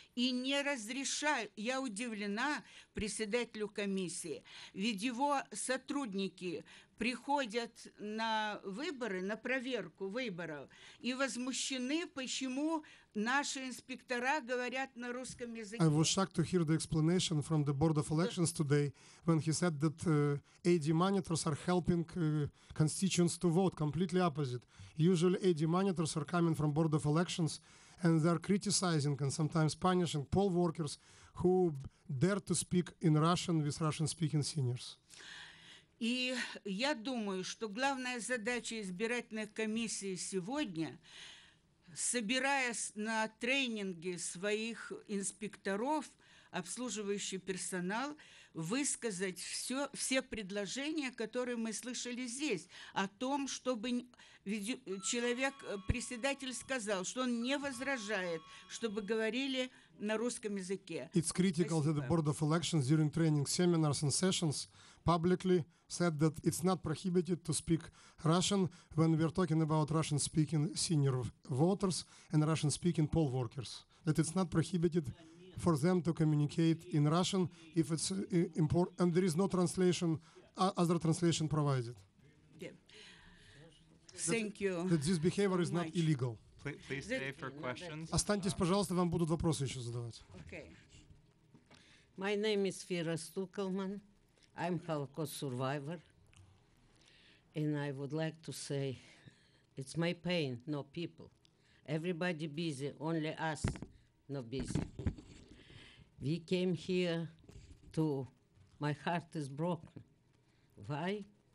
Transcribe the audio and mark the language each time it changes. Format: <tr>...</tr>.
<ru>И не разрешаю, я удивлена председателю комиссии, ведь его сотрудники приходят на выборы, на проверку выборов, и возмущены, почему наши инспектора говорят на русском языке.</ru> <en>I was shocked to hear the explanation from the Board of Elections today when he said that AD monitors are helping constituents to vote. Completely opposite. Usually AD monitors are coming from Board of Elections and they're criticizing and sometimes punishing poll workers who dare to speak in Russian with Russian-speaking seniors. И я думаю, что главная задача избирательных комиссий сегодня, собирая на тренинги своих инспекторов, обслуживающий персонал, высказать все предложения, которые мы слышали здесь, о том, чтобы человек, председатель сказал, что он не возражает, чтобы говорили на русском языке. It's critical that the Board of Elections during training seminars and sessions publicly said that it's not prohibited to speak Russian when we're talking about Russian-speaking senior voters and Russian-speaking poll workers. That it's not prohibited for them to communicate in Russian if it's important, and there is no translation, other translation provided. Yeah. Thank you. That this behavior is not illegal. Please stay for questions.</en> <ru>Останьтесь, пожалуйста, вам будут вопросы еще задавать.</ru> <en>Okay. My name is Vera Stukelman. I'm a Holocaust survivor, and I would like to say it's my pain, no people. Everybody busy, only us not busy. We came here to, my heart is broken. Why?</en>